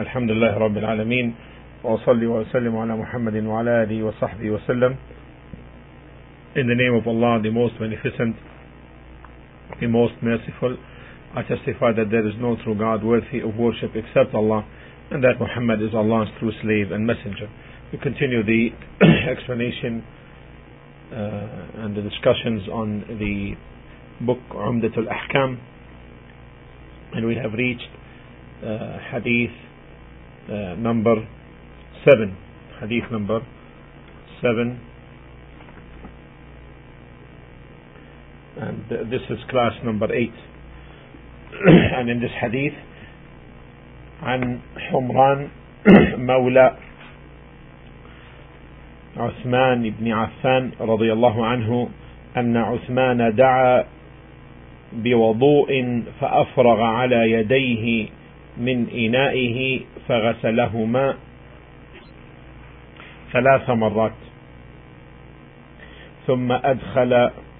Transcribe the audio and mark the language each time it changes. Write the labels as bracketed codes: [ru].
[ar] الحمد لله رب العالمين، وأصلي وأسلم على محمد وعلى آله وصحبه وسلم. [en] In the name of Allah, the most beneficent, the most merciful, I testify that there is no true God worthy of worship except Allah, and that Muhammad is Allah's true slave and messenger. We continue the explanation and the discussions on the book Umdatul Ahkam, and we have reached hadith number 7, and this is class number 8. And in this hadith, [ar] عن حمران مولى عثمان بن عفان رضي الله عنه أن عثمان دعا بوضوء فأفرغ على يديه من إنائه فغسلهما [en] 3 times [ar] ثم أدخل